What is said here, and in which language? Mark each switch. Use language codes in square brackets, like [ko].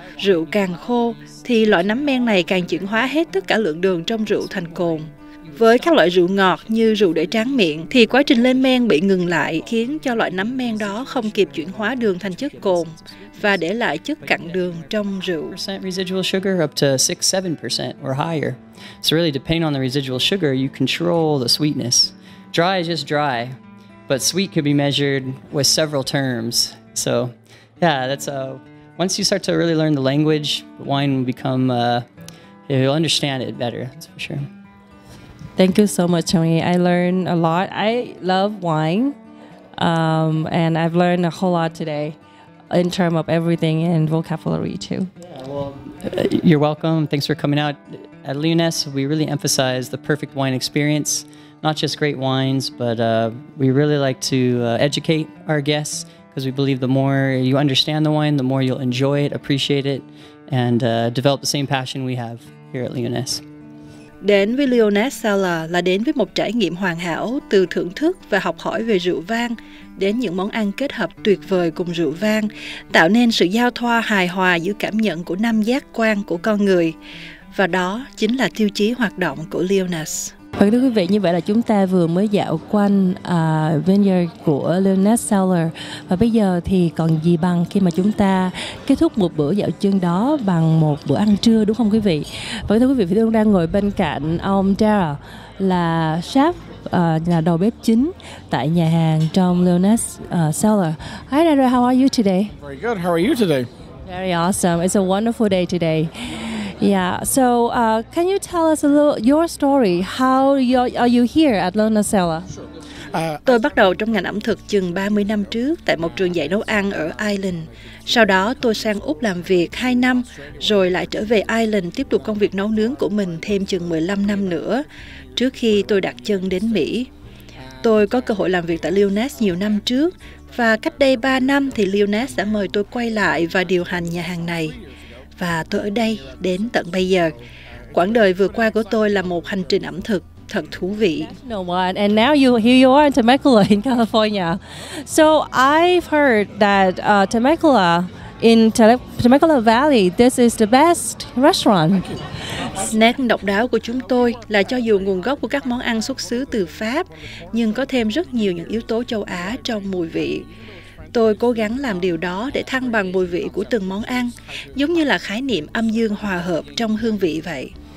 [vi] Rượu càng khô, thì loại nấm men này càng chuyển hóa hết tất cả lượng đường trong rượu thành cồn. Với các loại rượu ngọt như rượu để tráng miệng thì quá trình lên men bị ngừng lại, khiến cho loại nấm men đó không kịp chuyển hóa đường thành chất cồn và để lại chất cặn đường trong rượu. [en] Residual sugar up to 6-7% or higher. So really depending on the residual sugar, you control the sweetness. Dry is just dry, but sweet could be measured with several terms. So yeah, that's once you start to really learn the language, wine will become you'll understand it better, that's for sure. Thank you so much, Tony. I learned a lot. I love wine, and I've learned a whole lot today in terms of everything and vocabulary, too. Yeah, well, you're welcome. Thanks for coming out. At Leoness, we really emphasize the perfect wine experience, not just great wines, but we really like to educate our guests, because we believe the more you understand the wine, the more you'll enjoy it, appreciate it, and develop the same passion we have here at Leoness. [vi] Đến với Leoness Cellar là đến với một trải nghiệm hoàn hảo, từ thưởng thức và học hỏi về rượu vang đến những món ăn kết hợp tuyệt vời cùng rượu vang, tạo nên sự giao thoa hài hòa giữa cảm nhận của năm giác quan của con người. Và đó chính là tiêu chí hoạt động của Leoness. Vâng, thưa quý vị, như vậy là chúng ta vừa mới dạo quanh vineyard của Leoness Cellar. Và bây giờ thì còn gì bằng khi mà chúng ta kết thúc một bữa dạo chân đó bằng một bữa ăn trưa, đúng không quý vị? Vâng, thưa quý vị, tôi đang ngồi bên cạnh ông Dara, là chef, là đầu bếp chính tại nhà hàng trong Leoness Cellar. [en] Hi Dara, how are you today? Very good, how are you today? Very awesome, it's a wonderful day today. Yeah, so can you tell us a little your story? How are you here at Leoness Cellar? [vi] Tôi bắt đầu trong ngành ẩm thực chừng 30 năm trước tại một trường dạy nấu ăn ở Ireland. Sau đó tôi sang Úc làm việc 2 năm, rồi lại trở về Ireland tiếp tục công việc nấu nướng của mình thêm chừng 15 năm nữa, trước khi tôi đặt chân đến Mỹ. Tôi có cơ hội làm việc tại Leoness nhiều năm trước, và cách đây 3 năm thì Leoness đã mời tôi quay lại và điều hành nhà hàng này. Và tôi ở đây đến tận bây giờ. Quãng đời vừa qua của tôi là một hành trình ẩm thực thật thú vị. [en] No one. And now you here you are in Temecula in California. So I've heard that Temecula in Temecula Valley, this is the best restaurant. [vi] Snack độc đáo của chúng tôi là cho dù nguồn gốc của các món ăn xuất xứ từ Pháp, nhưng có thêm rất nhiều những yếu tố châu Á trong mùi vị. Tôi cố gắng làm điều đó để thăng bằng mùi vị của từng món ăn, giống như là khái niệm âm dương hòa hợp trong hương vị vậy.